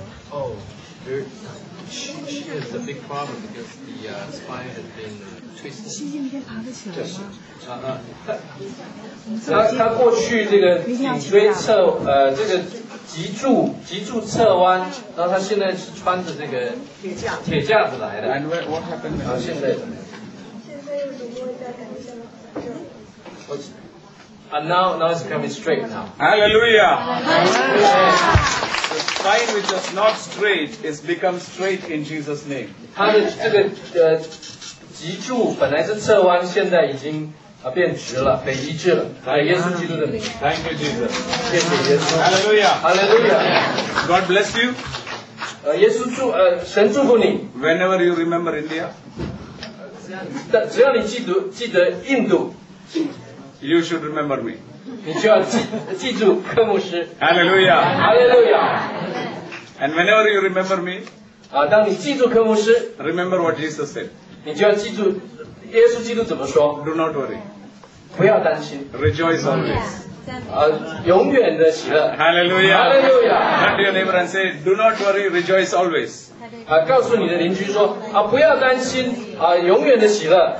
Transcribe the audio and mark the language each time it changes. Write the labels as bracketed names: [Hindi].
[English] Oh, she has a big problem because the spine has been twisted. [Chinese] 他过去这个颈椎侧这个脊柱侧弯，然后他现在是穿着这个铁架子来的。 [English] And what happened? [Chinese] 然后现在 [English] And now it's coming straight now. Hallelujah! Hallelujah. The spine which was not straight is become straight in Jesus' name. [Chinese] 他的这个脊柱本来是侧弯，现在已经变直了，被医治了。耶稣基督的名。 [English] Thank you, Jesus. [Chinese] 谢谢耶稣。 [English] Hallelujah! Hallelujah! God bless you. [Chinese] 耶稣神祝福你。 [English] Whenever you remember India. [Chinese] 只要你记得印度。 [English] You should remember me. [Chinese] 你就要记住柯牧师。 [English] Hallelujah. Hallelujah. And whenever you remember me, [Chinese] 当你记住科牧师, [English] remember what Jesus said. [Chinese] 你就要记住耶稣基督怎么说。 [English] Do not worry. [Chinese] 不要担心。 [English] Rejoice always. [Chinese] 永远的喜乐。 [English] Hallelujah. Hallelujah. Turn to your neighbor and say, Do not worry, rejoice always. [Chinese] 告诉你的邻居说，不要担心，永远的喜乐。